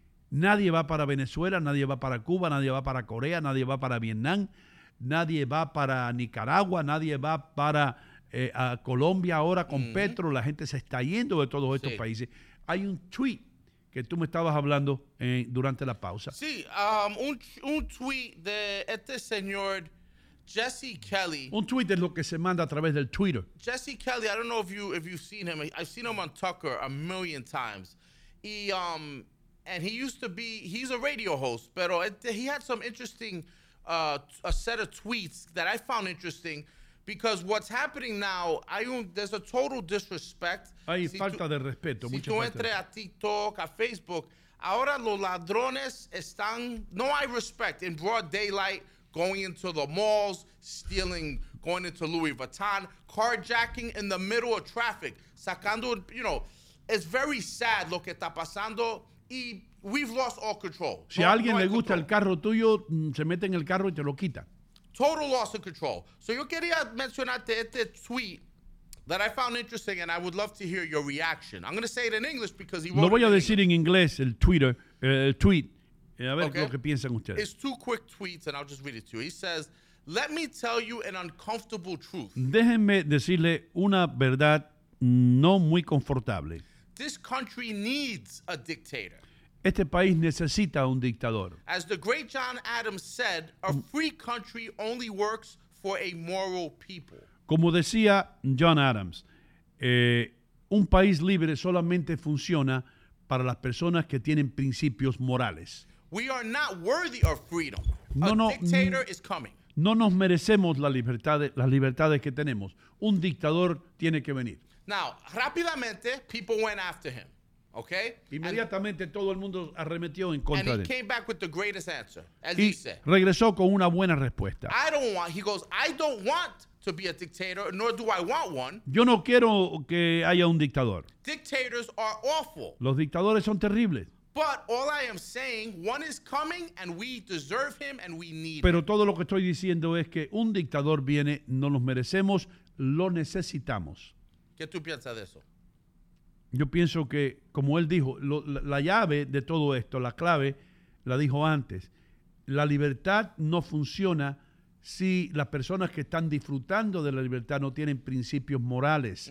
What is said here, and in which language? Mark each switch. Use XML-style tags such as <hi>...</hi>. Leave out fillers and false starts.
<es>Nadie va para Venezuela, nadie va para Cuba, nadie va para Corea, nadie va para Vietnam, nadie va para Nicaragua, nadie va para a Colombia ahora con mm-hmm. Petro. La gente se está yendo de todos estos sí. países. Hay un tweet que tú me estabas hablando durante la pausa. Sí, un tweet de este señor Jesse Kelly. Un tweet es lo que se manda a través del Twitter.</es> <en>Jesse Kelly, I don't know if you've seen him. I've seen him on Tucker a million times. He used to be, he's a radio host,</en> <es>pero</es> <en>he had some interesting a set of tweets that I found interesting. Because what's happening now, there's a total disrespect.</en> <es>Hay falta de respeto. Si tú entras a TikTok, a Facebook, ahora los ladrones están, no hay</es> <en>respect, in broad daylight, going into the malls, stealing, going into Louis Vuitton, carjacking in the middle of traffic,</en> <es>sacando,</es> <en>you know, it's very sad</en> <es>lo que está pasando, y</es> <en>we've lost all control.</en> <es>Si a alguien le gusta el carro tuyo, se mete en el carro y te lo quita.</es> <en>Total loss of control. So</en> <es>yo quería mencionarte este tweet</es> <en>that I found interesting and I would love to hear your reaction. I'm going to say it in English because he wrote it in English.</en> <es>Lo voy a decir en inglés, el tweet, A ver, okay. Lo que piensan ustedes.</es> <en>It's two quick tweets, and I'll just read it to you. He says, let me tell you an uncomfortable truth.</en> <es>Déjenme decirle una verdad no muy confortable.</es> <en>This country needs a dictator.</en> <es>Este país necesita un dictador.</es> <en>As the great John Adams said, a free country only works for a moral people.</en> <es>Como decía John Adams, un país libre solamente funciona para las personas que tienen principios morales.</es> <en>We are not worthy of freedom. A dictator is coming.</en> <es>No nos merecemos las libertades que tenemos. Un dictador tiene que venir.</es> <en>Now,</en> <es>rápidamente,</es> <en>people went after him. Okay?</en> <es>Inmediatamente todo el mundo arremetió en contra de él.</es> <en>And he came back with the greatest answer, as he said.</en> <es>Regresó con una buena respuesta.</es> <en>He goes, I don't want to be a dictator, nor do I want one.</en> <es>Yo no quiero que haya un dictador.</es> <en>Dictators are awful.</en> <es>Los dictadores son terribles.</es> <en>But all I am saying, one is coming and we deserve him and we need</en> <es>him. Pero todo lo que estoy diciendo es que un dictador viene, no los merecemos, lo necesitamos. ¿Qué tú piensas de eso? Yo pienso que, como él dijo, la llave de todo esto, la clave, la dijo antes. La libertad no funciona si las personas que están disfrutando de la libertad no tienen principios morales.</es>